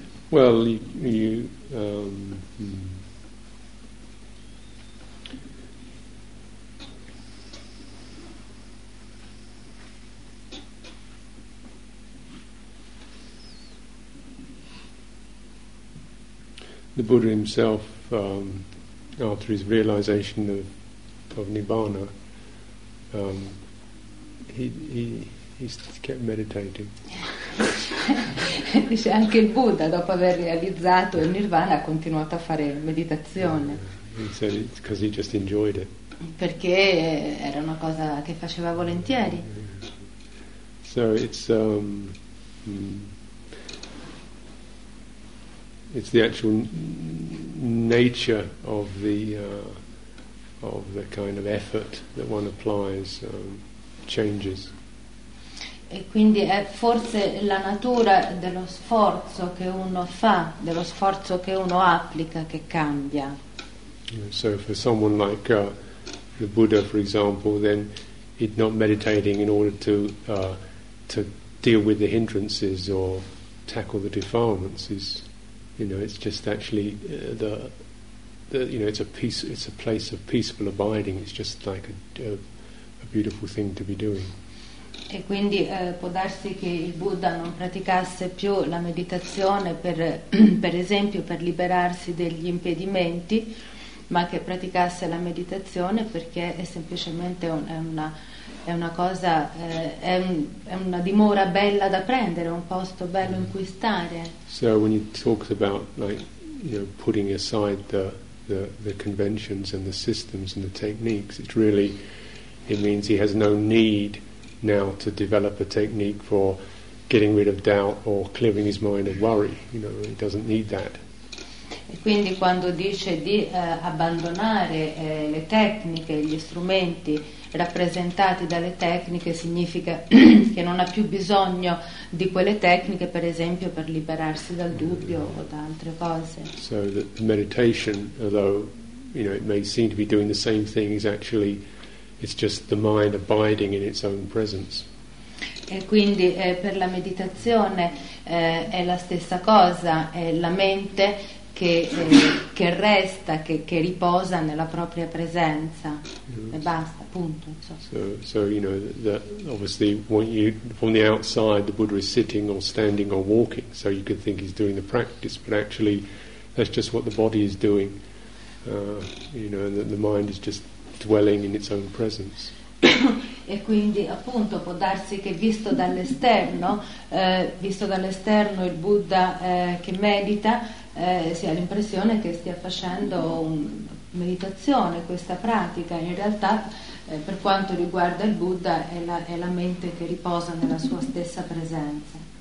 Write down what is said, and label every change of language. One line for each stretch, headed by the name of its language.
English: Well, you the Buddha himself, after his realization of Nibbana, he kept meditating.
Italian: Dice anche il Buddha, dopo aver realizzato il Nirvana, ha continuato a fare meditazione.
English: He said it's 'cause he just enjoyed it.
Italian: Perché era una cosa che faceva volentieri.
English: So it's it's the actual nature of the kind of effort that one applies changes.
Italian: E quindi è forse la natura dello sforzo che uno fa, dello sforzo che uno applica, che cambia.
English: So for someone like the Buddha, for example, then he's not meditating in order to deal with the hindrances or tackle the defilements. He's, you know, it's just actually the you know, it's a peace, it's a place of peaceful abiding. It's just like a beautiful thing to be doing.
Italian: E quindi può darsi che il Buddha non praticasse più la meditazione per esempio per liberarsi degli impedimenti, ma che praticasse la meditazione perché è semplicemente una dimora bella da prendere, un posto bello in cui stare.
English: So when you talk about, like, you know, putting aside the conventions and the systems and the techniques, it's really, it means he has no need now to develop a technique for getting rid of doubt or clearing his mind of worry. You know, he doesn't need that.
Italian: E quindi quando dice di abbandonare le tecniche, gli strumenti rappresentati dalle tecniche, significa che non ha più bisogno di quelle tecniche, per esempio, per liberarsi dal dubbio o da altre cose.
English: So the meditation, although, you know, it may seem to be doing the same thing, is actually, it's just the mind abiding in its own presence.
Italian: E quindi per la meditazione è la stessa cosa, è la mente che resta, che riposa nella propria presenza. Yes. E basta, punto.
English: So you know that obviously when you from the outside the Buddha is sitting or standing or walking, so you could think he's doing the practice, but actually that's just what the body is doing. You know, that the mind is just dwelling in its own presence.
Italian: E quindi appunto può darsi che visto dall'esterno il Buddha che medita si ha l'impressione che stia facendo meditazione, questa pratica. In realtà per quanto riguarda il Buddha è la mente che riposa nella sua stessa presenza.